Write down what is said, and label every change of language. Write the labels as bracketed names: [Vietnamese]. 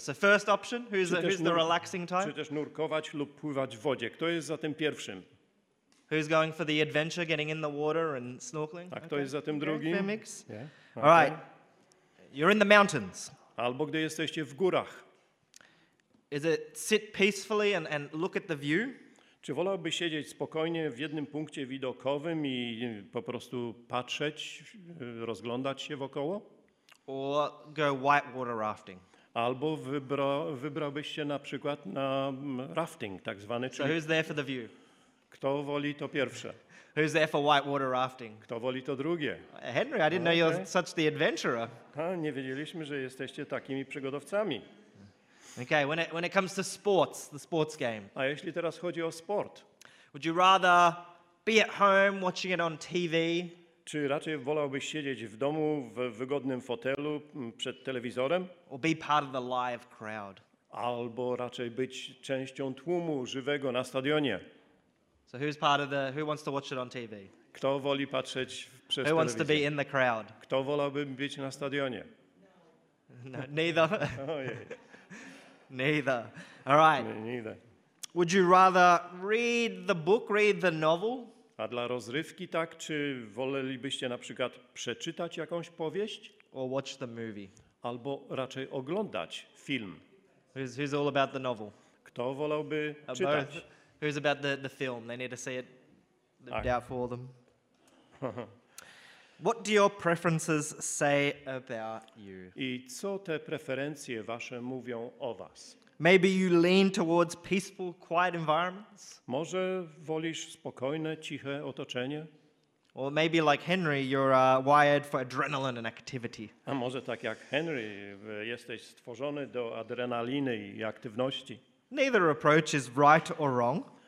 [English] So first option, who's the relaxing type? [Polish] Czy też nurkować lub pływać w wodzie? Kto jest za tym pierwszym? [English] Who's going for the adventure, getting in the water and snorkeling? [Polish] A kto jest za tym drugim? [English] Fair mix. Yeah. All right. You're in the mountains. [Polish] Albo gdy jesteście w górach. [English] Is it sit peacefully and look at the view? [Polish] Czy wolałbyś siedzieć spokojnie w jednym punkcie widokowym i po prostu patrzeć, rozglądać się wokoło? [English] Or go whitewater rafting. [Polish] Albo wybrałbyś się na przykład na rafting, tak zwany. [English] So who's there for the view? [Polish] Kto woli to pierwsze? [English] Who's there for whitewater rafting? [Polish] Kto woli to drugie? [English] Henry, I didn't know you're such the adventurer. [Polish] Nie wiedzieliśmy, że jesteście takimi przygodowcami. [English] Okay, when it comes to sports, the sports game. [Polish] A jeśli teraz chodzi o sport. [English] Would you rather be at home watching it on TV? [Polish] Czy raczej wolałbyś siedzieć w domu w wygodnym fotelu przed telewizorem? [English] Or be part of the live crowd? [Polish] Albo raczej być częścią tłumu żywego na stadionie. [English] So who's part of the who wants to watch it on TV? [Polish] Kto woli patrzeć przez telewizor? [English] Who wants to be in the crowd? [Polish] Kto wolałby być na stadionie? [English] No, neither. Neither. All right. Neither. Would you rather read the book, read the novel? [Polish] A dla rozrywki tak, czy wolelibyście na przykład przeczytać jakąś powieść? [English] Or watch the movie? [Polish] Albo raczej oglądać film? [English] Who's all about the novel? [Polish] Kto wolałby czytać? [English] Both. Who's about the film? They need to see it. Doubt for them. What do your preferences say about you? [Polish] I co te preferencje wasze mówią o was? [English] Maybe you lean towards peaceful, quiet environments? [Polish] Może wolisz spokojne, ciche otoczenie? [English] Or maybe like Henry, you're wired for adrenaline and activity. [Polish] A może tak jak Henry, jesteś stworzony do adrenaliny i aktywności. [English] Neither approach is right or wrong.